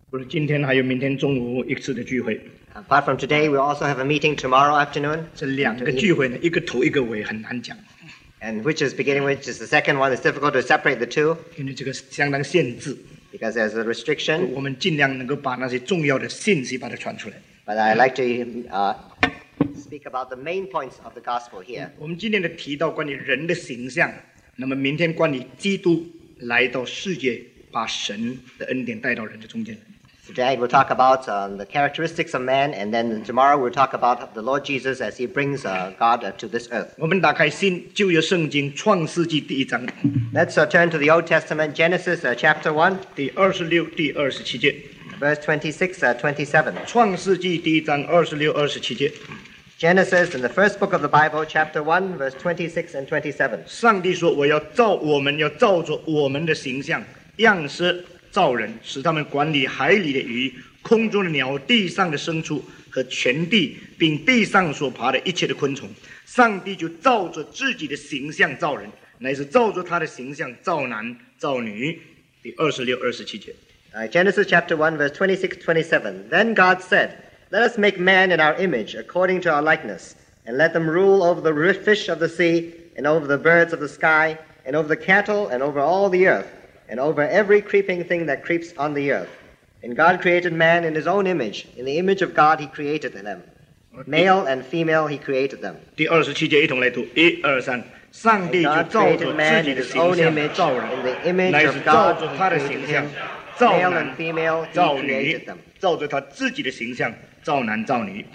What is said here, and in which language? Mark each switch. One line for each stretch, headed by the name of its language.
Chinese: 今天还有明天中午一次的聚会。
English: Apart from today, we also have a meeting tomorrow afternoon.
Chinese: 这两个聚会呢，一个头一个尾，很难讲。
English: And which is beginning, which is the second one, it's difficult to separate the two.
Chinese: 因为这个相当限制。
English: Because there's a restriction.
Chinese: 我们尽量能够把那些重要的信息把它传出来。
English: But I'd like to speak about the main points of the gospel here.
Chinese: 我们今天的提到关于人的形象，那么明天关于基督来到世界，把神的恩典带到人的中间。
English: Today we'll talk about the characteristics of man, and then tomorrow we'll talk about the Lord Jesus as he brings God to this earth.
Chinese: 我们打开新旧约圣经创世纪第一章。
English: Let's turn to the Old Testament, Genesis chapter 1.
Chinese: 第二十六、第二十七节。
English: Verse 26, 27.
Chinese: 创世纪第一章二十六、二十七节。
English: Genesis in the first book of the Bible, chapter 1, verse 26 and 27.
Chinese: 上帝说，我要造我们，要照着我们的形象，样式。造人，使他们管理海里的鱼，空中的鸟，地上的牲畜和全地，并地上所爬的一切的昆虫。上帝就照着自己的形象造人，乃是照着他的形象造男造女。第二十六、二十七节。
English: Genesis chapter 1 verse 26, 27. Then God said, Let us make man in our image, according to our likeness, and let them rule over the fish of the sea, and over the birds of the sky, and over the cattle, and over all the earth. And over every creeping thing that creeps on the earth. And God created man in his own image. In the image of God, he created them. Male and female, he created them.
Chinese: 第二十七节一同来读。一、二、三。上帝就造作自己的形象造人。
English: In the image of God, he created him. Male and female, he created them.
Chinese: 造作他自己的形象造男造女。